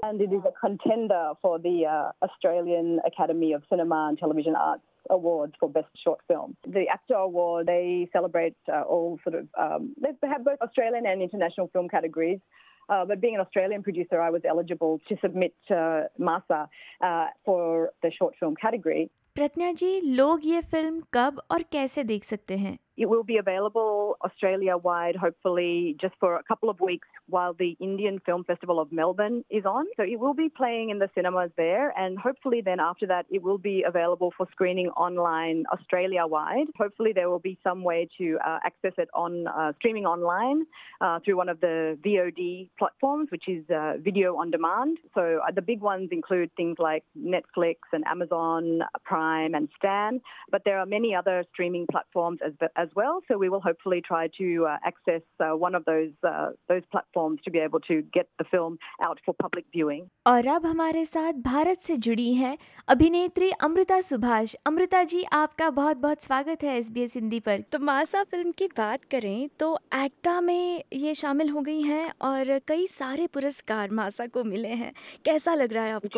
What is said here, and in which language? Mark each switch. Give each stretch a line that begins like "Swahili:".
English: And it is a contender for the Australian Academy of Cinema and Television Arts Awards for Best Short Film. The ACTA Award, they celebrate all sort of, they have both Australian and international film categories. But being an Australian producer, I was eligible to submit Masa for the short film category. Pragya ji, लोग ये film कब और कैसे देख सकते हैं? It will be available Australia wide, hopefully just for a couple of weeks while the Indian Film Festival of Melbourne is on. So it will be playing in the cinemas there, and hopefully then after that it will be available for screening online Australia wide. Hopefully there will be some way to access it on streaming online through one of the VOD platforms, which is video on demand. So the big ones include things like Netflix and Amazon Prime and Stan, but there are many other streaming platforms as as well. So we will hopefully try to access one of those platforms to be able to get the film out for public viewing.
Hindi: और अब हमारे साथ भारत से जुड़ी हैं अभिनेत्री अमृता सुभाष. अमृता जी, आपका बहुत बहुत स्वागत है SBS हिंदी पर. तो मासा फिल्म की बात करें तो एक्टा में ये शामिल हो गई हैं और कई सारे पुरस्कार मासा को मिले हैं. कैसा लग रहा है आपको?